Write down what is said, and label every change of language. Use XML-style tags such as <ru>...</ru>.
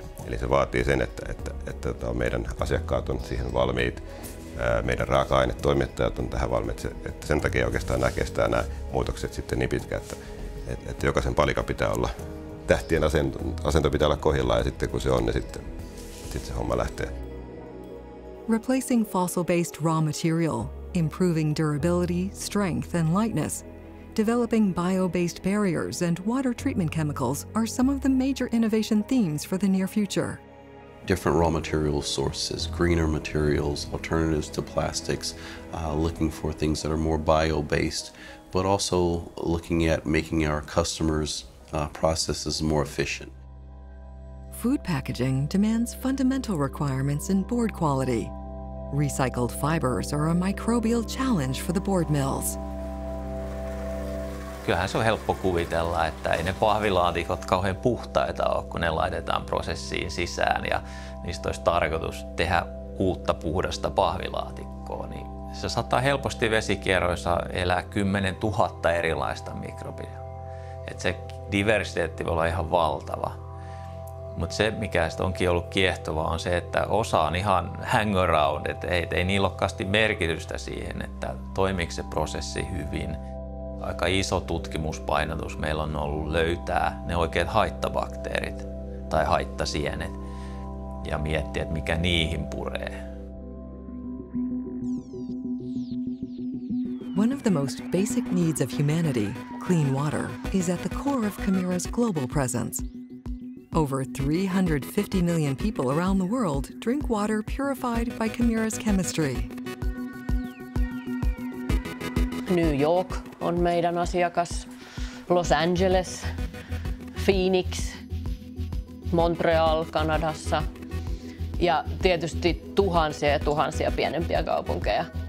<fi>Eli se vaatii sen, että meidän asiakkaat on siihen valmiit, meidän raaka-ainetoimittajat on tähän valmiit. Että sen takia oikeastaan näkee nämä muutokset sitten niin pitkään, että jokaisen palikan pitää olla tähtien asento pitää olla kohdillaan ja sitten kun se on, niin sitten se homma lähtee.</fi> <en>Replacing fossil-based raw material, improving durability, strength and lightness, developing bio-based barriers and water treatment chemicals are some of the major innovation themes for the near future. Different raw material sources, greener materials, alternatives to plastics, looking for things that are more bio-based, but also looking at making our customers' processes more efficient. Food packaging demands fundamental requirements in board quality. Recycled fibers are a microbial challenge for the board mills.</en> <fi>Kyllähän se on helppo kuvitella, että ei ne pahvilaatikot kauhean puhtaita ole, kun ne laitetaan prosessiin sisään ja niistä olisi tarkoitus tehdä uutta puhdasta pahvilaatikkoa. Niin se saattaa helposti vesikierroissa elää 10 000 erilaista mikrobia. Et se diversiteetti voi olla ihan valtava. Mutta se, mikä sitten onkin ollut kiehtova, on se, että osa on ihan</fi> <en>hang around,</en> <fi>että ei niillä olekaan merkitystä siihen, että toimiiko se prosessi hyvin. Aika iso tutkimuspainotus meillä on ollut löytää ne oikeat haittabakteerit tai haittasienet ja miettiä, että mikä niihin puree.</fi> <en>One of the most basic needs of humanity, clean water, is at the core of Kemira's global presence. Over 350 million people around the world drink water purified by Kemira's chemistry.</en> <fi>New York on meidän asiakas, Los Angeles, Phoenix, Montreal Kanadassa ja tietysti tuhansia ja tuhansia pienempiä kaupunkeja.</fi>